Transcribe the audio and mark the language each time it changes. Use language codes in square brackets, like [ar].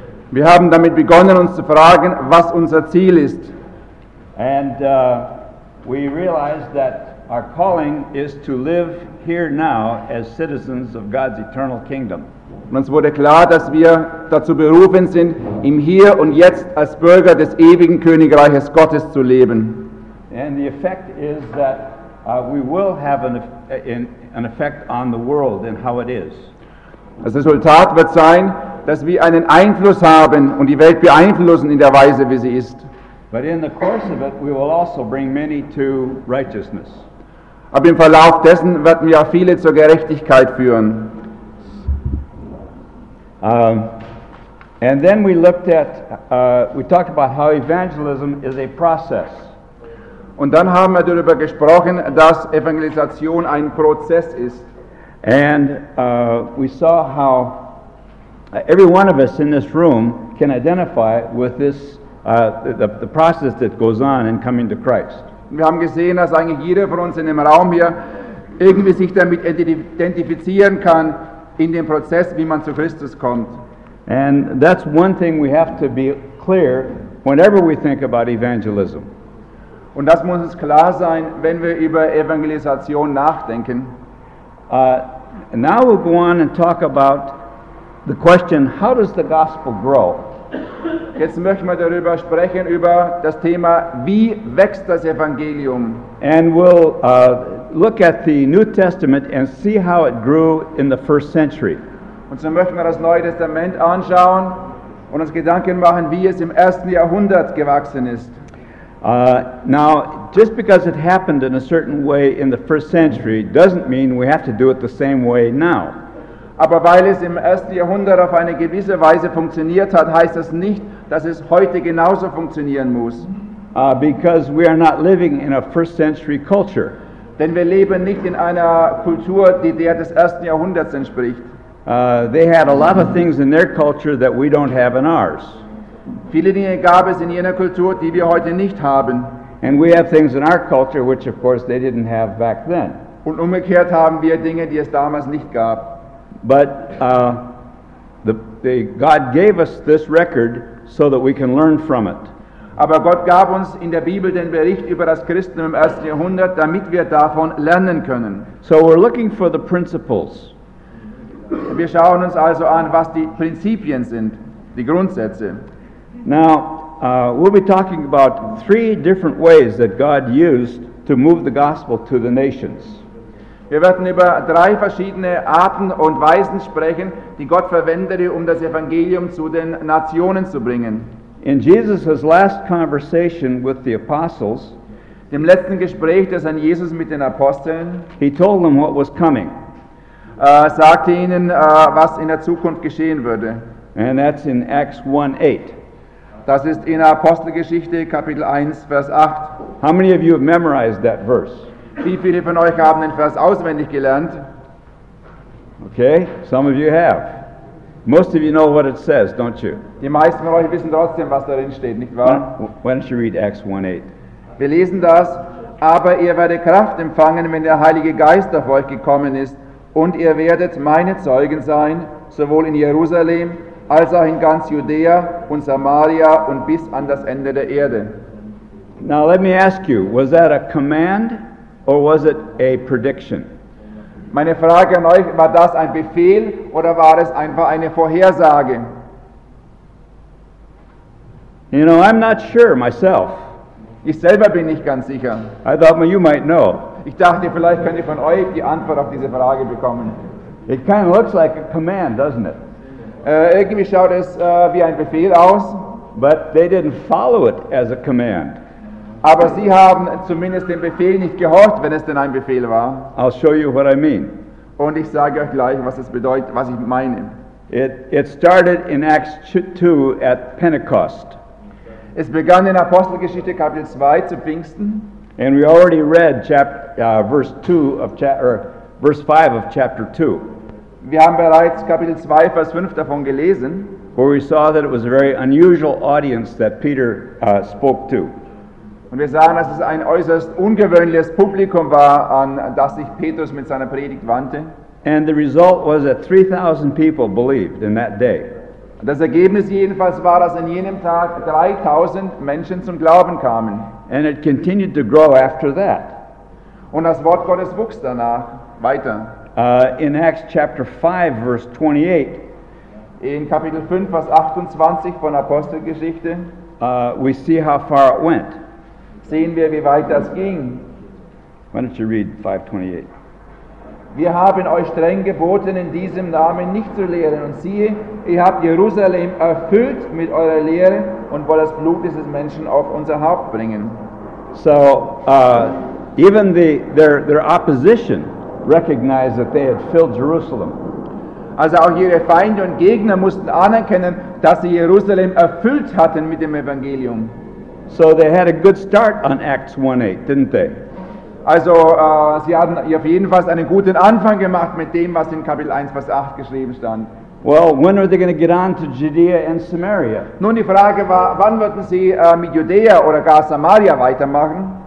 [de] Wir haben damit begonnen, uns zu fragen, was unser Ziel ist. [en] And we realized that our calling is to live here now as citizens of God's eternal kingdom. [de] Und uns wurde klar, dass wir dazu berufen sind, im Hier und Jetzt als Bürger des ewigen Königreiches Gottes zu leben. [en] And the effect is that we will have an effect on the world and how it is. [de] Das Resultat wird sein, dass wir einen Einfluss haben und die Welt beeinflussen in der Weise, wie sie ist. [en] But in the course of it, we will also bring many to righteousness. [de] Aber im Verlauf dessen werden wir auch viele zur Gerechtigkeit führen. [en] And then we looked at, we talked about how evangelism is a process. [de] Und dann haben wir darüber gesprochen, dass Evangelisation ein Prozess ist. [en] And we saw how every one of us in this room can identify with this the process that goes on in coming to Christ. [de] Wir haben gesehen, dass eigentlich jeder von uns in dem Raum hier irgendwie sich damit identifizieren kann in dem Prozess, wie man zu Christus kommt. [en] And that's one thing we have to be clear whenever we think about evangelism. [de] Und das muss uns klar sein, wenn wir über Evangelisation nachdenken. [en] Now we'll go on and talk about the question, how does the gospel grow? [de] Jetzt möchten wir darüber sprechen, über das Thema, wie wächst das Evangelium? [en] And we'll look at the New Testament and see how it grew in the first century. [de] Und so möchten wir das Neue Testament anschauen und uns Gedanken machen, wie es im ersten Jahrhundert gewachsen ist. [en] Now, just because it happened in a certain way in the first century doesn't mean we have to do it the same way now. [de] Aber weil es im ersten Jahrhundert auf eine gewisse Weise funktioniert hat, heißt das nicht, dass es heute genauso funktionieren muss. [en] Because we are not living in a first century culture. [de] Denn wir leben nicht in einer Kultur, die der des ersten Jahrhunderts entspricht. [en] They had a lot of things in their culture that we don't have in ours. [de] Viele Dinge gab es in jener Kultur, die wir heute nicht haben. [en] And we have things in our culture, which of course they didn't have back then. [de] Und umgekehrt haben wir Dinge, die es damals nicht gab. [en] But God gave us this record so that we can learn from it. [de] Aber Gott gab uns in der Bibel den Bericht über das Christentum im ersten Jahrhundert, damit wir davon lernen können. [en] So we're looking for the principles. [de] Wir schauen uns also an, was die Prinzipien sind, die Grundsätze. [en] Now, we'll be talking about three different ways that God used to move the gospel to the nations. [de] Wir werden über drei verschiedene Arten und Weisen sprechen, die Gott verwendete, um das Evangelium zu den Nationen zu bringen. [en] In Jesus' last conversation with the apostles, [de] dem letzten Gespräch, das an Jesus mit den Aposteln, [en] he told them what was coming. [de] Sagte ihnen, was in der Zukunft geschehen würde. [en] And that's in Acts 1:8. [de] Das ist in Apostelgeschichte, Kapitel 1, Vers 8. [en] How many of you have memorized that verse? [de] Wie viele von euch haben den Vers auswendig gelernt? [en] Okay, some of you have. Most of you know what it says, don't you? [de] Die meisten von euch wissen trotzdem, was darin steht, nicht wahr? [en] Why don't you read Acts 1:8? [de] Wir lesen das. Aber ihr werdet Kraft empfangen, wenn der Heilige Geist auf euch gekommen ist, und ihr werdet meine Zeugen sein, sowohl in Jerusalem als auch in ganz Judäa und Samaria und bis an das Ende der Erde. [en] Now let me ask you, was that a command? Or was it a prediction? [de] Meine Frage an euch, war das ein Befehl oder war es einfach eine Vorhersage? [en] You know, I'm not sure myself. [de] Ich selber bin nicht ganz sicher. [en] I thought you might know. [de] Ich dachte, vielleicht könnt ihr von euch die Antwort auf diese Frage bekommen. [en] It kind of looks like a command, doesn't it? [de] Irgendwie schaut es wie ein Befehl aus. [en] But they didn't follow it as a command. [de] Aber sie haben zumindest dem Befehl nicht gehorcht, wenn es denn ein Befehl war. [en] I'll show you what I mean. [de] Und ich sage euch gleich, was es bedeutet, was ich meine. [en] It started in Acts 2 at Pentecost. [de] Es begann in Apostelgeschichte Kapitel 2 zu Pfingsten. [en] And we already read verse 5 of chapter 2. [de] Wir haben bereits Kapitel 2 Vers 5 davon gelesen. [en] where we saw that it was a very unusual audience that Peter spoke to. [de] Und wir sahen, dass es ein äußerst ungewöhnliches Publikum war, an das sich Petrus mit seiner Predigt wandte. [en] And the result was that 3,000 people believed in that day. [de] Das Ergebnis jedenfalls war, dass an jenem Tag 3,000 Menschen zum Glauben kamen. [en] And it continued to grow after that. [de] Und das Wort Gottes wuchs danach weiter. [en] In Acts chapter 5, verse 28, [de] in Kapitel 5, Vers 28 von Apostelgeschichte, [en] we see how far it went. [de] Sehen wir, wie weit das ging. [en] Why don't you read 5:28? [de] Wir haben euch streng geboten, in diesem Namen nicht zu lehren. Und siehe, ihr habt Jerusalem erfüllt mit eurer Lehre und wollt das Blut dieses Menschen auf unser Haupt bringen. [en] So, even their opposition recognized that they had filled Jerusalem. [de] Also auch ihre Feinde und Gegner mussten anerkennen, dass sie Jerusalem erfüllt hatten mit dem Evangelium. [en] So they had a good start on Acts 1:8, didn't they? [de] Also, sie hatten auf jeden Fall einen guten Anfang gemacht mit dem, was in Kapitel 1, Vers 8 geschrieben stand. [en] Well, when are they going to get on to Judea and Samaria? [de] Nun, die Frage war, wann würden sie mit Judäa oder gar Samaria weitermachen?